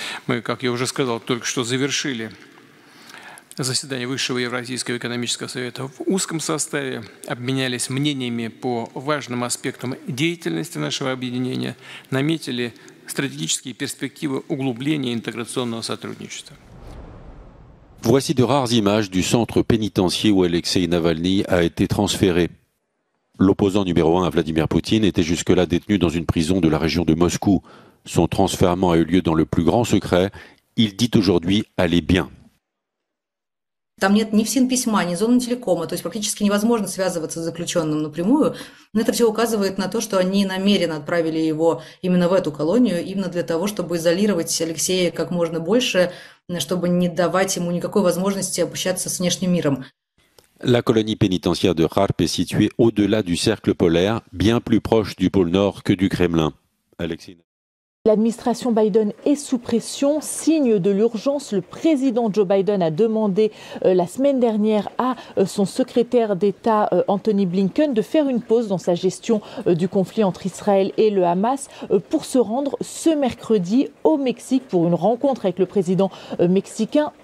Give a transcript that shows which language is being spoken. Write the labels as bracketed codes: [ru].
[ru] Мы, как я уже сказал, только что завершили заседание Высшего Евразийского экономического совета в узком составе, обменялись мнениями по важным аспектам деятельности нашего объединения, наметили стратегические перспективы углубления интеграционного сотрудничества. [fr] Voici de rares images du centre pénitentiaire où Alexei Navalny a été transféré. L'opposant numéro 1 à Vladimir Poutine était jusque-là détenu dans une prison de la région de Moscou. Son transfèrement a eu lieu dans le plus grand secret. Il dit aujourd'hui aller bien. [ru] Там нет ни СИН-письма, ни зоны телекома, то есть практически невозможно связываться с заключенным напрямую. Но это все указывает на то, что они намеренно отправили его именно в эту колонию, именно для того, чтобы изолировать Алексея как можно больше, чтобы не давать ему никакой возможности общаться с внешним миром. [fr] La colonie pénitentiaire de Kharp est située au-delà du cercle polaire, bien plus proche du pôle Nord que du Kremlin. Alexine. L'administration Biden est sous pression, signe de l'urgence. Le président Joe Biden a demandé la semaine dernière à son secrétaire d'État Anthony Blinken de faire une pause dans sa gestion du conflit entre Israël et le Hamas pour se rendre ce mercredi au Mexique pour une rencontre avec le président mexicain.